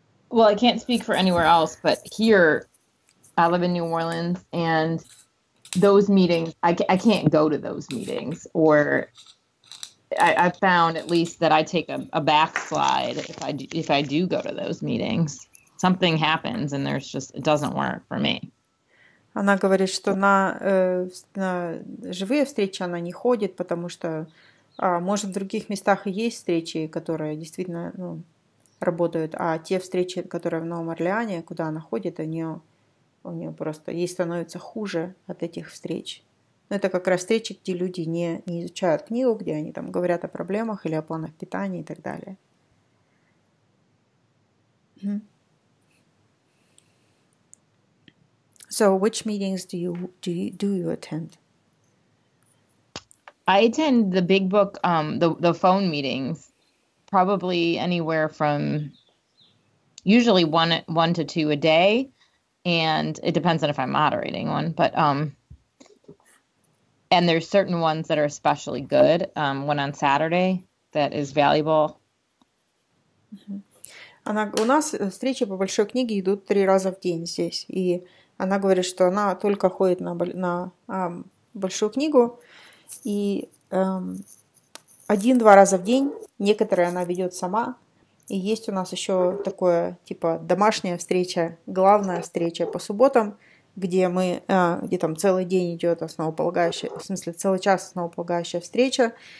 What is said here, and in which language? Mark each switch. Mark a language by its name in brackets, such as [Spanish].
[English] Well, I can't speak for anywhere else, but here I live in New Orleans, and those meetings, I can't go to those meetings, or I found at least that I take a backslide if I do go to those meetings. Something happens and there's just, it doesn't work for me. [Russian] Она говорит, что на живые встречи она не ходит, потому что, может, в других местах и есть встречи, которые действительно работают, а те встречи, которые в Новом Орлеане, куда она ходит, у нее просто, ей становится хуже от этих встреч. Но это как раз встречи, где люди не изучают книгу, где они там говорят о проблемах или о планах питания и так далее. [English] So, which meetings do you attend? I attend the Big Book, the phone meetings, probably anywhere from usually one to two a day, and it depends on if I'm moderating one. But and there's certain ones that are especially good. One on Saturday that is valuable. [Russian] Она у нас встречи по большой книге идут три раза в день здесь и. Она говорит, что она только ходит на большую книгу и один-два раза в день. Некоторые она ведет сама. И есть у нас еще такое, типа, домашняя встреча, главная встреча по субботам, где мы, где там целый день идет основополагающая, в смысле целый час основополагающая встреча.